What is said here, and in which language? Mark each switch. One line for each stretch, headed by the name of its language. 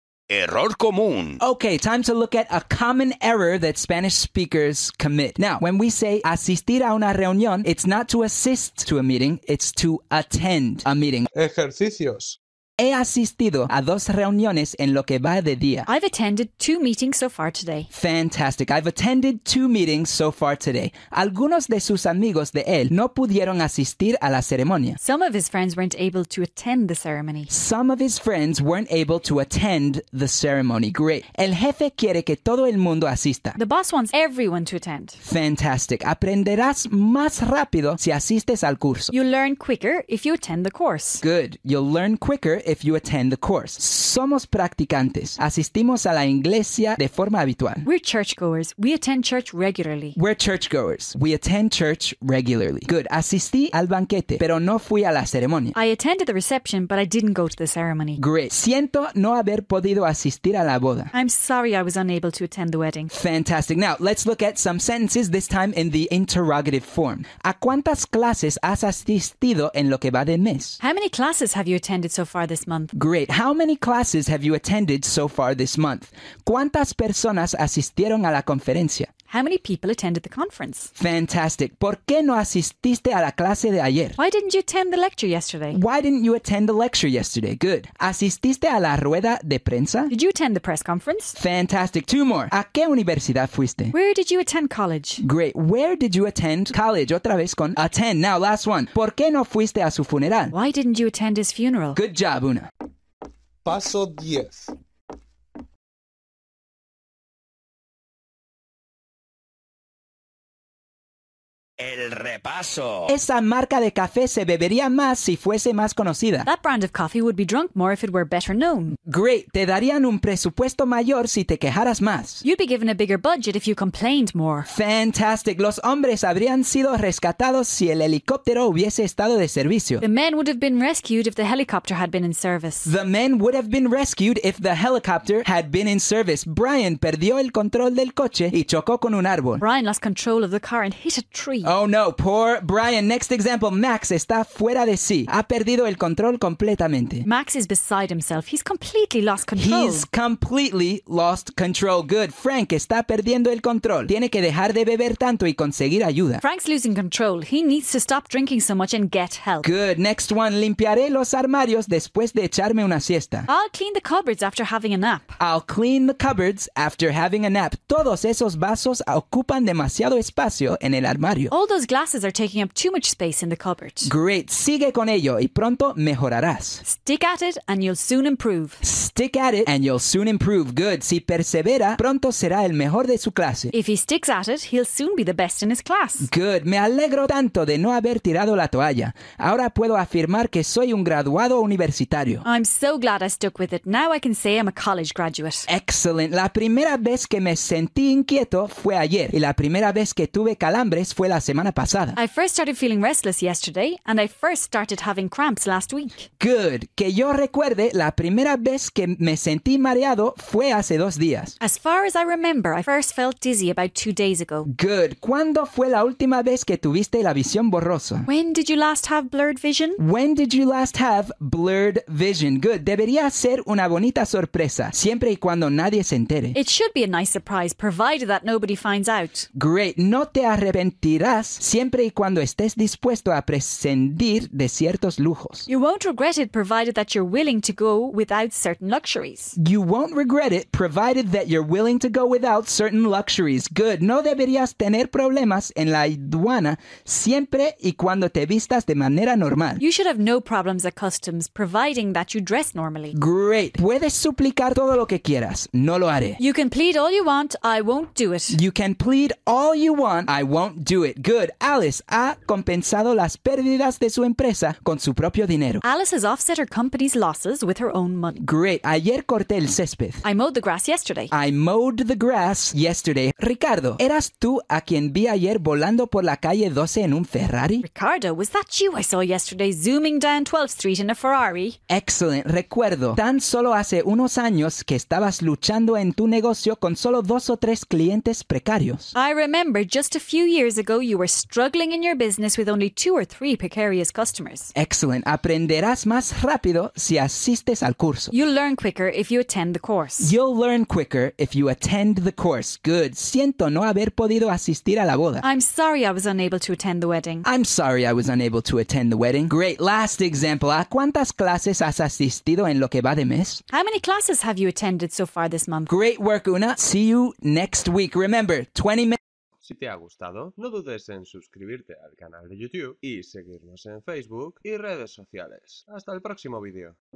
Spanish: Error común.
English: Okay, time to look at a common error that Spanish speakers commit. Now, when we say
Spanish: asistir a una reunión,
English: it's not to assist to a meeting, it's to attend a meeting.
Spanish: Ejercicios. He asistido a dos reuniones en lo que va de día.
English: I've attended 2 meetings so far today. Fantastic. I've attended 2 meetings so far today.
Spanish: Algunos de sus amigos de él no pudieron asistir a la ceremonia.
English: Some of his friends weren't able to attend the ceremony. Some of his friends weren't able to attend the ceremony. Great.
Spanish: El jefe quiere que todo el mundo asista.
English: The boss wants everyone to attend. Fantastic.
Spanish: Aprenderás más rápido si asistes al curso.
English: You'll learn quicker if you attend the course. Good. You'll learn quicker if you attend the course.
Spanish: Somos practicantes. Asistimos a la iglesia de forma habitual.
English: We're churchgoers. We attend church regularly. We're churchgoers. We attend church regularly. Good.
Spanish: Asistí al banquete, pero no fui a la ceremonia.
English: I attended the reception, but I didn't go to the ceremony. Great.
Spanish: Siento no haber podido asistir a la boda.
English: I'm sorry I was unable to attend the wedding. Fantastic. Now, let's look at some sentences, this time in the interrogative form.
Spanish: ¿A cuántas clases has asistido en lo que va de mes?
English: How many classes have you attended so far this month? Great. How many classes have you attended so far this month?
Spanish: ¿Cuántas personas asistieron a la conferencia?
English: How many people attended the conference? Fantastic.
Spanish: ¿Por qué no asististe a la clase de ayer?
English: Why didn't you attend the lecture yesterday? Why didn't you attend the lecture yesterday? Good.
Spanish: ¿Asististe a la rueda de prensa?
English: Did you attend the press conference? Fantastic. Two more.
Spanish: ¿A qué universidad fuiste?
English: Where did you attend college? Great. Where did you attend college?
Spanish: Otra vez con
English: attend. Now, last one.
Spanish: ¿Por qué no fuiste a su funeral?
English: Why didn't you attend his funeral? Good job, Una.
Spanish: Paso 10. El repaso. Esa marca de café se bebería más si fuese más conocida.
English: That brand of coffee would be drunk more if it were better known. Great.
Spanish: Te darían un presupuesto mayor si te quejaras más.
English: You'd be given a bigger budget if you complained more. Fantastic.
Spanish: Los hombres habrían sido rescatados si el helicóptero hubiese estado de servicio.
English: The men would have been rescued if the helicopter had been in service. The men would have been rescued if the helicopter had been in service.
Spanish: Brian perdió el control del coche y chocó con un árbol.
English: Brian lost control of the car and hit a tree. Oh no, poor Brian. Next example, Max está fuera de sí.
Spanish: Ha perdido el control completamente.
English: Max is beside himself. He's completely lost control. He's completely lost control. Good. Frank
Spanish: está perdiendo el control. Tiene que dejar de beber tanto y conseguir ayuda.
English: Frank's losing control. He needs to stop drinking so much and get help. Good. Next one,
Spanish: limpiaré los armarios después de echarme una siesta.
English: I'll clean the cupboards after having a nap. I'll clean the cupboards after having a nap.
Spanish: Todos esos vasos ocupan demasiado espacio en el armario.
English: All those glasses are taking up too much space in the cupboard. Great.
Spanish: Sigue con ello y pronto mejorarás.
English: Stick at it and you'll soon improve. Stick at it and you'll soon improve. Good.
Spanish: Si persevera, pronto será el mejor de su clase.
English: If he sticks at it, he'll soon be the best in his class. Good.
Spanish: Me alegro tanto de no haber tirado la toalla. Ahora puedo afirmar que soy un graduado universitario.
English: I'm so glad I stuck with it. Now I can say I'm a college graduate. Excellent.
Spanish: La primera vez que me sentí inquieto fue ayer y la primera vez que tuve calambres fue la semana pasada.
English: I first started feeling restless yesterday and I first started having cramps last week. Good.
Spanish: Que yo recuerde, la primera vez que me sentí mareado fue hace 2 días.
English: As far as I remember, I first felt dizzy about 2 days ago. Good.
Spanish: ¿Cuándo fue la última vez que tuviste la visión borrosa?
English: When did you last have blurred vision? When did you last have blurred vision? Good.
Spanish: Debería ser una bonita sorpresa, siempre y cuando nadie se entere.
English: It should be a nice surprise, provided that nobody finds out. Great.
Spanish: No te arrepentirás siempre y cuando estés dispuesto a prescindir de ciertos lujos.
English: You won't regret it, provided that you're willing to go without certain luxuries. You won't regret it, provided that you're willing to go without certain luxuries. Good.
Spanish: No deberías tener problemas en la aduana siempre y cuando te vistas de manera normal.
English: You should have no problems at customs, providing that you dress normally. Great.
Spanish: Puedes suplicar todo lo que quieras. No lo haré.
English: You can plead all you want. I won't do it. You can plead all you want. I won't do it. Good.
Spanish: Alice ha compensado las pérdidas de su empresa con su propio dinero.
English: Alice has offset her company's losses with her own money. Great.
Spanish: Ayer corté el césped.
English: I mowed the grass yesterday. I mowed the grass yesterday.
Spanish: Ricardo, ¿eras tú a quien vi ayer volando por la calle 12 en un Ferrari?
English: Ricardo, was that you I saw yesterday zooming down 12th Street in a Ferrari? Excellent.
Spanish: Recuerdo, tan solo hace unos años que estabas luchando en tu negocio con solo 2 o 3 clientes precarios.
English: I remember just a few years ago you you were struggling in your business with only two or three precarious customers. Excellent.
Spanish: Aprenderás más rápido si asistes al curso.
English: You'll learn quicker if you attend the course. You'll learn quicker if you attend the course. Good.
Spanish: Siento no haber podido asistir a la boda.
English: I'm sorry I was unable to attend the wedding. I'm sorry I was unable to attend the wedding. Great. Last example.
Spanish: ¿A cuántas clases has asistido en lo que va de mes?
English: How many classes have you attended so far this month? Great work, Una. See you next week. Remember, 20 minutes.
Spanish: Si te ha gustado, no dudes en suscribirte al canal de YouTube y seguirnos en Facebook y redes sociales. Hasta el próximo vídeo.